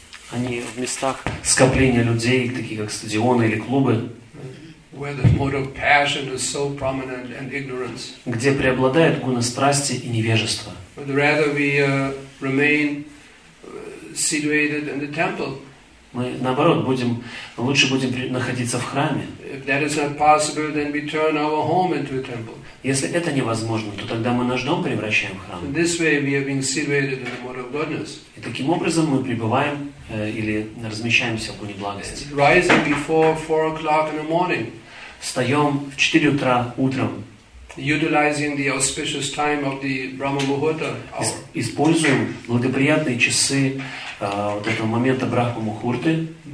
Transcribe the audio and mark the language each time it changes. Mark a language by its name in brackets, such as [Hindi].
[Russian] Они в местах скопления людей, такие как стадионы или клубы. [English] Where the mode of passion is so prominent and ignorance. [Russian] Где преобладает гуна страсти и невежество. [English] But rather we remain situated in the temple. [Russian] Мы наоборот будем лучше будем находиться в храме. [English] If that is not possible, then we turn our home into a temple. [Russian] Если это невозможно, то тогда мы наш дом превращаем в храм. [English] In this way we are being situated in the mode of godliness. [Russian] И таким образом мы пребываем или размещаемся в гуне благости. [English] Rising before 4 o'clock in the morning. [Russian] Встаем в 4 утра утром. [English] Utilizing the auspicious time of the Brahma Muhurta. [Russian] Используем благоприятные часы вот этого момента Брахма Мухурты.